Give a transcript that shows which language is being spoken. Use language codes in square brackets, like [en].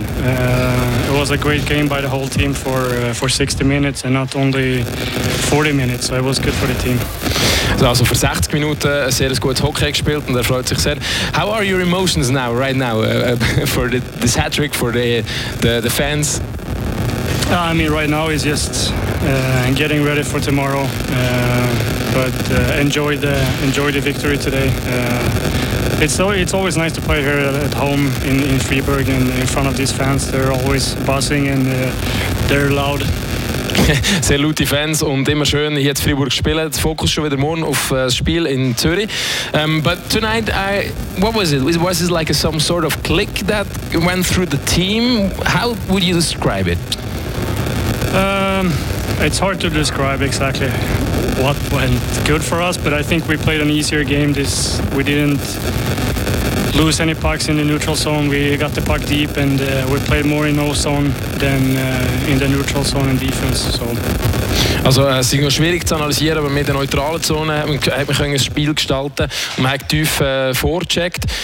[en] It was a great game by the whole team for 60 minutes and not only 40 minutes, so it was good for the team. [de] Also für 60 Minuten ein sehr gutes Hockey gespielt und er freut sich sehr. [en] How are your emotions now, right now, for this hat-trick, for the fans? I mean, right now it's just getting ready for tomorrow, but enjoy the victory today. It's always nice to play here at home in Freiburg and in front of these fans. They're always buzzing and they're loud. [de] Sehr laute Fans und immer schön hier in Freiburg spielen. Der Fokus schon wieder morgen auf das Spiel in Zürich. [en] But tonight, what was it? Was it like some sort of click that went through the team? How would you describe it? It's hard to describe exactly what went good for us, but I think we played an easier game. We didn't lose any pucks in the neutral zone. We got the puck deep and we played more in O-zone than in the neutral zone in defense. So. [de] Also es ist schwierig zu analysieren, aber mit der neutralen Zone hat man ein Spiel gestalten und man hat tief vorgecheckt.